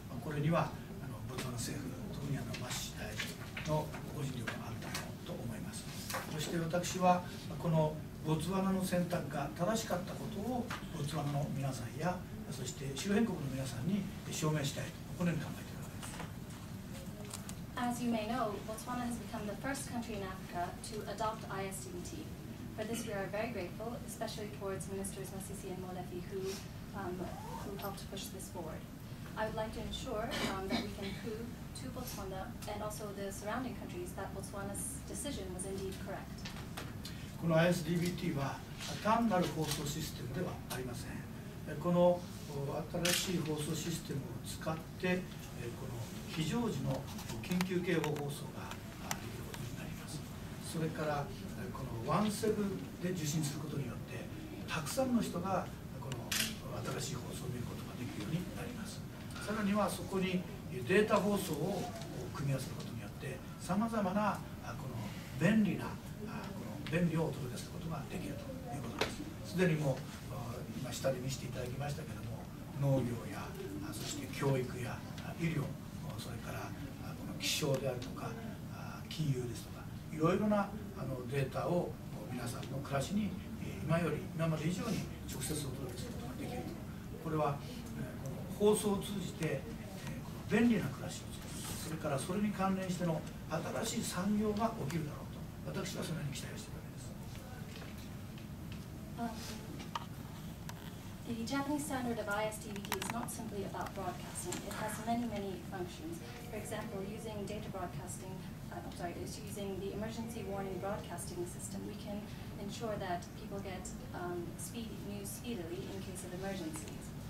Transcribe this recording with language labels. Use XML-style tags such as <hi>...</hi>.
<ja>これにはボツワナ政府、特にマッシ大臣のご尽力があったのと思います。そして私はこのボツワナの選択が正しかったことをボツワナの皆さんや、そして周辺国の皆さんに証明したいと、このように考えているわけです。</ja> <en>As you may know, Botswana has become the first country in Africa to adopt ISDBT. For this we are very grateful, especially towards Ministers Masisi and Molefi who helped push this forward. I would like to ensure that we can prove to Botswana and also the surrounding countries that Botswana's decision was indeed correct.</en> <ja>この ISDBT は単なる放送システムではありません。この新しい放送システムを使って、この非常時の緊急警報放送ができることになります。それから、この17で受信することによって、たくさんの人がこの新しい放送を見ることができるようになります。さらにはそこにデータ放送を組み合わせることによって、さまざまなこの便利なこの便利をお届けすることができるということです。すでにもう今下で見せていただきましたけれども、農業やそして教育や医療、それからこの気象であるとか金融ですとか、いろいろなデータを皆さんの暮らしに今まで以上に直接お届けすることができると。これは放送を通じて便利な暮らしを作る、それからそれに関連しての新しい産業が起きるだろうと、私はそのように期待しているわけです。</ja> <en>The Japanese standard of ISDBT is not simply about broadcasting. It has many, many functions. For example, using data broadcasting, using the emergency warning broadcasting system, we can ensure that people get speed news speedily in case of emergencies.</en>